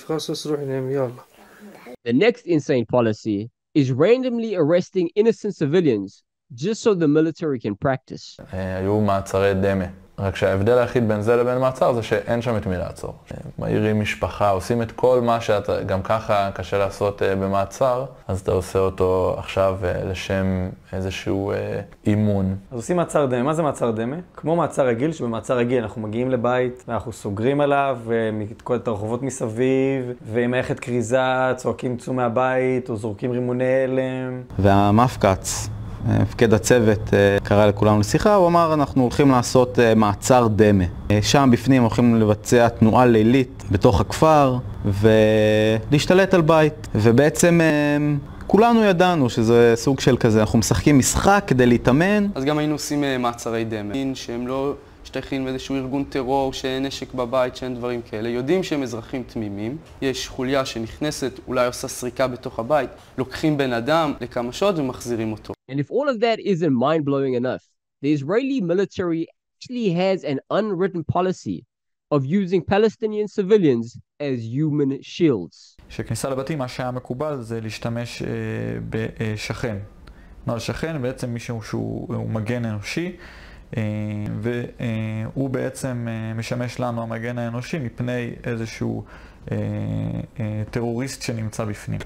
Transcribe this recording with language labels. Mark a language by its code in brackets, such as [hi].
[en] The next insane policy is randomly arresting innocent civilians just so the military can practice. [he] היו מעצרי דמה. רק שההבדל היחיד בין זה לבין מעצר זה שאין שם את מי לעצור. מעירים משפחה, עושים את כל מה שאתה גם ככה קשה לעשות במעצר, אז אתה עושה אותו עכשיו לשם איזשהו אימון. אז עושים מעצר דמה. מה זה מעצר דמה? כמו מעצר רגיל, שבמעצר רגיל אנחנו מגיעים לבית, ואנחנו סוגרים עליו, ומתקוד את הרחובות מסביב, ועם מערכת כריזה, צועקים צאו מהבית, או זורקים רימוני אלם. והמפקץ. מפקד הצוות קרא לכולם לשיחה, הוא אמר אנחנו הולכים לעשות מעצר דמה. שם בפנים הולכים לבצע תנועה לילית בתוך הכפר ולהשתלט על בית. ובעצם כולנו ידענו שזה סוג של כזה, אנחנו משחקים משחק כדי להתאמן. אז גם היינו עושים מעצרי דמה, שהם לא משתייכים באיזשהו ארגון טרור, שאין נשק בבית, שאין דברים כאלה. יודעים שהם אזרחים תמימים, יש חוליה שנכנסת, אולי עושה סריקה בתוך הבית, לוקחים בן אדם לכמה שעות ומחזירים אותו. [en] And if all of that isn't mind-blowing enough, the Israeli military actually has an unwritten policy of using Palestinian civilians as human shields. [he] שכניסה לבתים, מה שהיה מקובל זה להשתמש בשכן. מר שכן, בעצם מישהו שהוא מגן אנושי, והוא בעצם משמש לנו המגן האנושי מפני איזשהו טרוריסט שנמצא בפנים.